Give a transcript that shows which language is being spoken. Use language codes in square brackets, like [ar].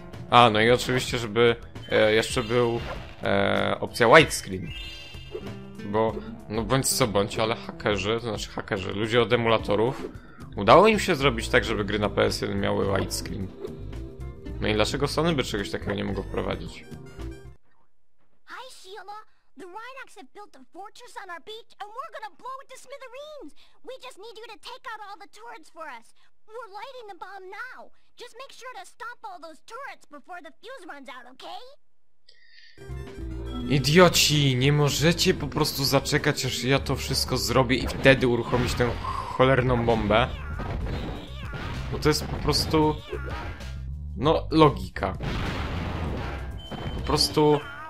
[pl] A, no i oczywiście, żeby jeszcze był opcja widescreen. Bo, no bądź co bądź, ale hakerzy, to znaczy hakerzy, ludzie od emulatorów, udało im się zrobić tak, żeby gry na PS1 miały widescreen. No i dlaczego Sony by czegoś takiego nie mogło wprowadzić? [en] Hi Sheila, the Rhinox have built a fortress on our beach and we're gonna blow it to smithereens. We just need you to take out all the turrets for us. We're lighting the bomb now. Just make sure to stop all those turrets before the fuse runs out, okay? [pl] Idioci, nie możecie po prostu zaczekać, aż ja to wszystko zrobię i wtedy uruchomić tę cholerną bombę. Bo to jest po prostu... No, logika. Po prostu...